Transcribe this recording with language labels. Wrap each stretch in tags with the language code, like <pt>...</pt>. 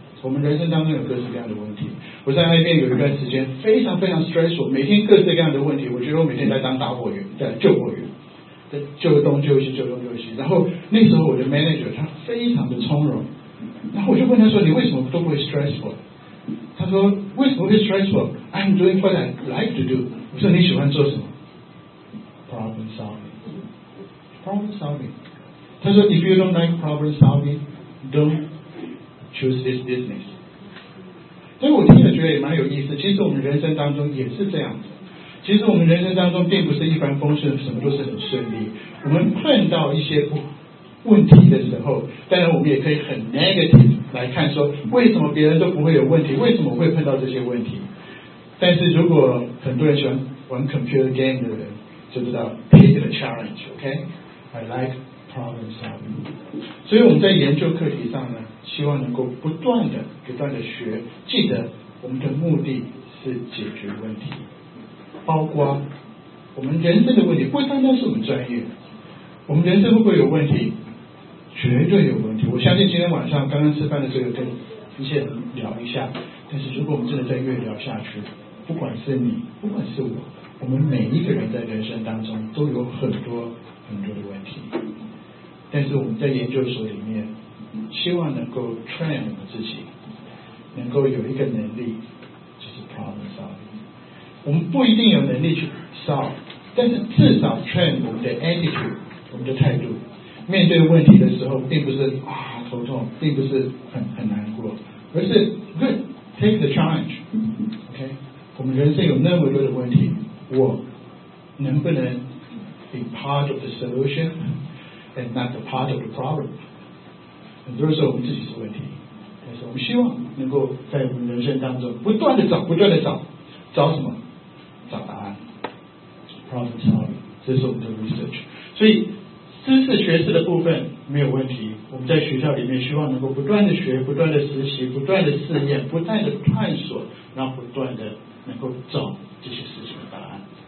<zh>我们人生当中有各式各样的问题。我在那边有一段时间非常非常 stressful， 每天各式各样的问题，我觉得我每天在当打火员，在救火员，在救东救西，救东救西。然后那时候我的 manager 他非常的从容，然后我就问他说，你为什么都不会 stressful？他说为什么会 stressful？</zh> <en>I'm doing what I like to do。</en> <zh>我说你喜欢做什么？</zh> <en>problem solving， problem solving。</en> <zh>他说</zh> <en>if you don't like problem solving don't choose this business。</en> <zh>所以我听了觉得也蛮有意思，其实我们人生当中也是这样子，其实我们人生当中并不是一帆风顺，什么都是很顺利。我们碰到一些问题的时候，当然我们也可以很 negative 来看说为什么别人都不会有问题，为什么会碰到这些问题。但是如果很多人喜欢玩 computer game 的人就知道</zh> <en>pick the challenge， OK， I like problem solving。</en> <zh>所以我们在研究课题上呢，希望能够不断的不断的学，记得我们的目的是解决问题，包括我们人生的问题，不单单是我们专业，我们人生会不会有问题？绝对有问题。我相信今天晚上刚刚吃饭的时候跟一些人聊一下，但是如果我们真的再越聊下去，不管是你不管是我，我们每一个人在人生当中都有很多很多的问题。但是我们在研究所里面希望能够 train 我们自己能够有一个能力，就是 problem solving。我们不一定有能力去 solve， 但是至少 train 我们的 attitude，我们的态度，面对问题的时候并不是啊头痛，并不是 很难过，而是</zh> <en>good take the challenge， OK。我们人生有那么多的问题，</en> <zh>我能不能</zh> <en>be part of the solution and not the part of the problem。</en> <zh>很多时候我们自己是问题，但是我们希望能够在我们人生当中不断的找，不断的找，找什么？找答案， problem solving， 这是我们的 research。所以知识学识的部分没有问题，我们在学校里面希望能够不断的学，不断的实习，不断的试验，不断的探索，然后不断的能够找这些事情的答案。</zh>